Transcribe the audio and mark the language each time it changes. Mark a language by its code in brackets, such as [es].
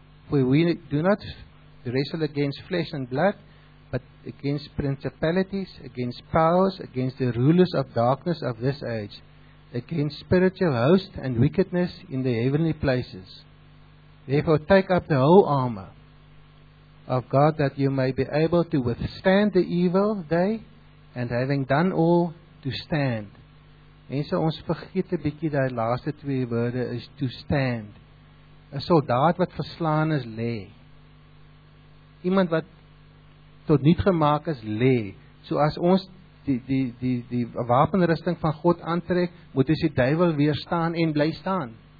[en] For we do not wrestle against flesh and blood, but against principalities, against powers, against the rulers of darkness of this age, against spiritual hosts and wickedness in the heavenly places. Therefore, take up the whole armor of God, that you may be able to withstand the evil day, and having done all, to stand. [af] En so ons vergeet 'n bietjie die laaste twee woorde is [en] to stand. [af] 'N Soldaat wat verslaan is, lê. Iemand wat tot niet gemaak is, lê. So as ons die wapenrusting van God aantrek, moet ons die duivel weerstaan en bly staan.